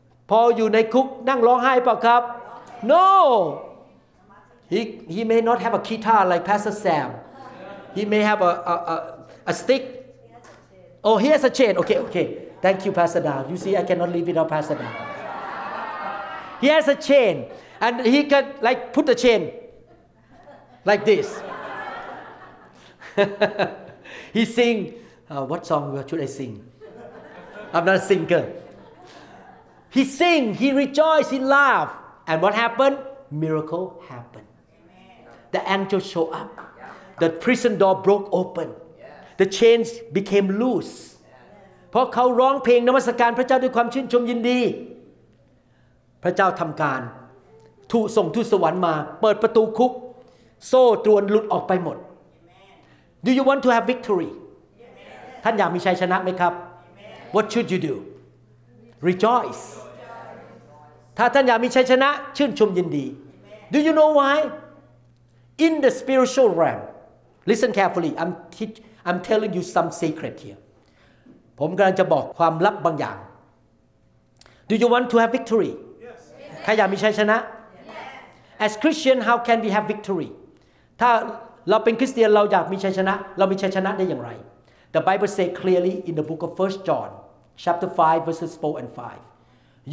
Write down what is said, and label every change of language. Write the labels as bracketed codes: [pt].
[th] Paul อยู่ในคุกนั่งร้องไห้เปล่าครับ [en] No. He may not have a guitar like Pastor Sam. He may have a stick. Oh, he has a chain. Okay. Thank you, Pastor Dan. You see, I cannot live without Pastor Dan. He has a chain, and he can like put the chain like this. he sing, what song should I sing? I'm not a singer. He sing, he rejoice, he laugh. And what happened? Miracle happened. The angel show up. The prison door broke open. The chains became loose. [th] เพราะเขาร้องเพลงนมัสการพระเจ้าด้วยความชื่นชมยินดีพระเจ้าทำการทูส่งทูตสวรรค์มาเปิดประตูคุกโซ่ตรวนหลุดออกไปหมด [en] Do you want to have victory? Amen. [th] ท่านอยากมีชัยชนะไหมครับ [en] Amen. What should you do? Rejoice. [th] ถ้าท่านอยากมีชัยชนะชื่นชมยินดี [en] Amen. Do you know why? In the spiritual realm, Listen carefully. I'm telling you some secret here. [th] ผมกำลังจะบอกความลับบางอย่าง [en] Do you want to have victory? Yes. [th] ใครอยากมีชัยชนะ [en] Yes. As Christian, how can we have victory? [th] ถ้าเราเป็นคริสเตียนเราอยากมีชัยชนะเรามีชัยชนะได้อย่างไร [en] The Bible says clearly in the book of 1 John, chapter 5, verses 4 and 5.